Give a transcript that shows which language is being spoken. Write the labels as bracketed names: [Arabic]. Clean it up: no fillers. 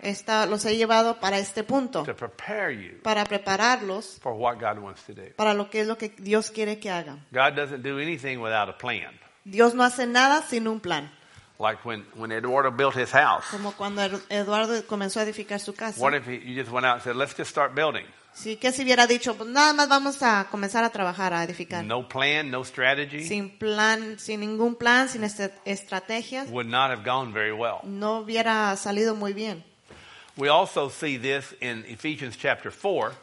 [Spanish] Los he llevado para este punto. [English] To prepare you. [Spanish] Para prepararlos. [English] For what God wants to do. [Spanish] Para lo que es lo que Dios quiere que haga. [English] God doesn't do anything without a plan. [Spanish] Dios no hace nada sin un plan. [English] Like when Eduardo built his house. [Spanish] Como cuando Eduardo comenzó a edificar su casa. [English] What if you just went out and said, let's just start building? [Spanish] Sí, que si hubiera dicho, pues nada más vamos a comenzar a trabajar, a edificar. [English] No plan, no strategy. [Spanish] Sin plan, sin ningún plan, sin estrategias. [English] Would not have gone very well. [Spanish] No hubiera salido muy bien. [English] We also see this in Ephesians chapter 4.